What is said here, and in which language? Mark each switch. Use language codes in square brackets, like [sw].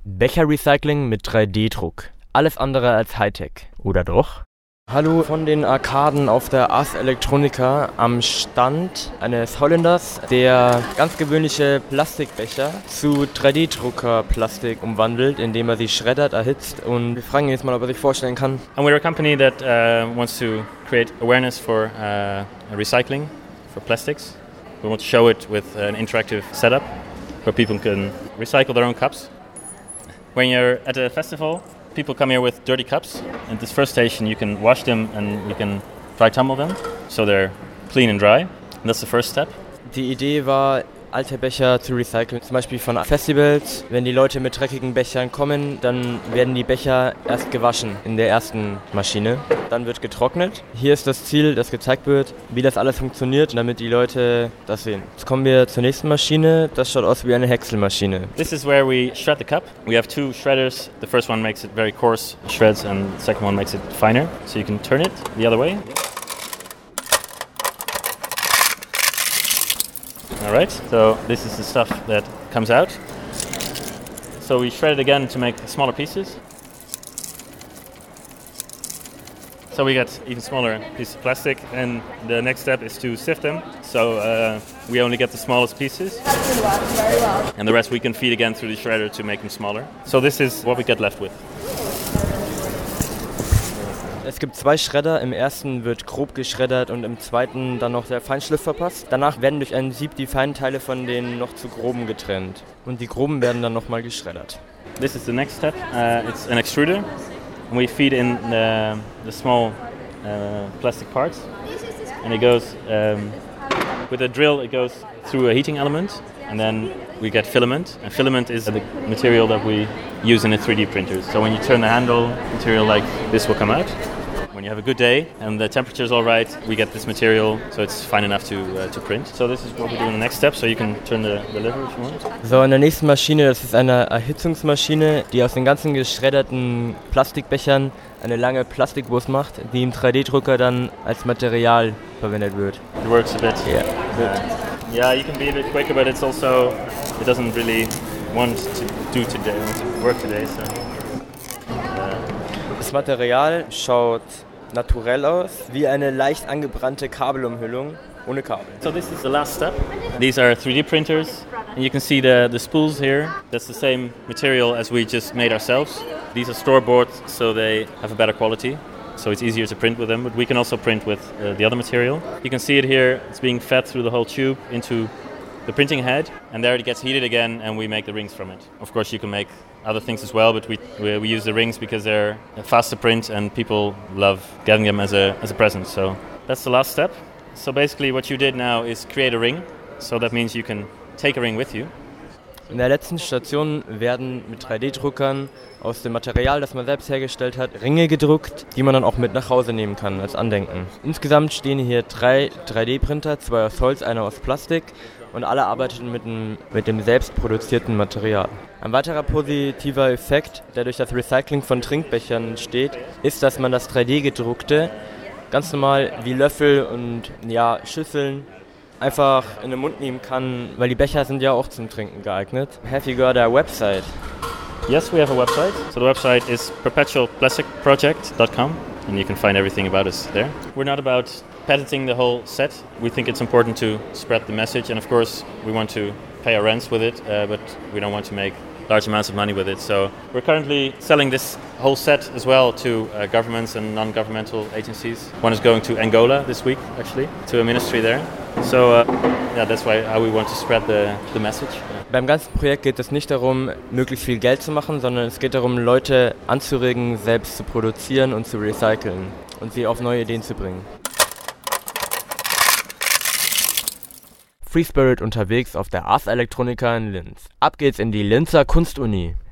[de] Becherrecycling mit 3D-Druck. Alles andere als Hightech. Oder doch? Hallo von den Arkaden auf der Ars Electronica am Stand eines Holländers, der ganz gewöhnliche Plastikbecher zu 3D-Drucker-Plastik umwandelt, indem er sie schreddert, erhitzt. Und wir fragen ihn jetzt mal, ob er sich vorstellen kann. [en] And we're a company that wants to create awareness for recycling for plastics. We want to show it with an interactive setup where people can recycle their own cups. When you're at a festival, people come here with dirty cups. At this first station, you can wash them and you can dry tumble them, so they're clean and dry. And that's the first step. [de] Die Idee war, alte Becher zu recyceln, zum Beispiel von Festivals. Wenn die Leute mit dreckigen Bechern kommen, dann werden die Becher erst gewaschen in der ersten Maschine. Dann wird getrocknet. Hier ist das Ziel, das gezeigt wird, wie das alles funktioniert, damit die Leute das sehen. Jetzt kommen wir zur nächsten Maschine. Das schaut aus wie eine Häckselmaschine. [en] This is where we shred the cup. We have two shredders. The first one makes it very coarse, shreds, and the second one makes it finer. So you can turn it the other way. All right, so this is the stuff that comes out. So we shred it again to make smaller pieces. So we get even smaller pieces of plastic, and the next step is to sift them. So we only get the smallest pieces. And the rest we can feed again through the shredder to make them smaller. So this is what we get left with. [de] Es gibt zwei Schredder. Im ersten wird grob geschreddert und im zweiten dann noch der Feinschliff verpasst. Danach werden durch ein Sieb die feinen Teile von den noch zu groben getrennt. Und die groben werden dann nochmal geschreddert. [en] This is the next step. It's an extruder. And we feed in the small plastic parts. And it goes with a drill, it goes through a heating element. And then we get filament. And filament is the material that we use in a 3D printer. So when you turn the handle, material like this will come out. When you have a good day and the temperature is all right, we get this material, so it's fine enough to print. So this is what we do in the next step, so you can turn the lever if you want. [de] So in der nächsten Maschine, das ist eine Erhitzungsmaschine, die aus den ganzen geschredderten Plastikbechern eine lange Plastikwurst macht, die im 3D-Drucker dann als Material verwendet wird. [en] It works a bit. Yeah. Yeah, you can be a bit quicker, but it's also, it doesn't really want to do today, want to work today, so. [de] Das Material schaut naturell aus, wie eine leicht angebrannte Kabelumhüllung ohne Kabel. [en] So this is the last step. These are 3D printers, and you can see the spools here. That's the same material as we just made ourselves. These are store bought, so they have a better quality. So it's easier to print with them, but we can also print with the other material. You can see it here, it's being fed through the whole tube into the printing head, and there it gets heated again and we make the rings from it. Of course you can make other things as well, but we use the rings because they're fast to print and people love getting them as a present. So that's the last step. So basically what you did now is create a ring. So that means you can take a ring with you. [de] In der letzten Station werden mit 3D-Druckern aus dem Material, das man selbst hergestellt hat, Ringe gedruckt, die man dann auch mit nach Hause nehmen kann als Andenken. Insgesamt stehen hier drei 3D-Printer, zwei aus Holz, einer aus Plastik, und alle arbeiten mit dem selbst produzierten Material. Ein weiterer positiver Effekt, der durch das Recycling von Trinkbechern entsteht, ist, dass man das 3D-gedruckte ganz normal wie Löffel und Schüsseln einfach in den Mund nehmen kann, weil die Becher sind ja auch zum Trinken geeignet. [en] Have you got a website? Yes, we have a website. So the website is perpetualplasticproject.com. and you can find everything about us there. We're not about patenting the whole set. We think it's important to spread the message, and of course we want to pay our rents with it, but we don't want to make large amounts of money with it. So we're currently selling this whole set as well to governments and non-governmental agencies. One is going to Angola this week, actually, to a ministry there. So yeah, that's why how we want to spread the message. [de] Beim ganzen Projekt geht es nicht darum, möglichst viel Geld zu machen, sondern es geht darum, Leute anzuregen, selbst zu produzieren und zu recyceln und sie auf neue Ideen zu bringen. Free Spirit unterwegs auf der Ars Electronica in Linz. Ab geht's in die Linzer Kunstuni.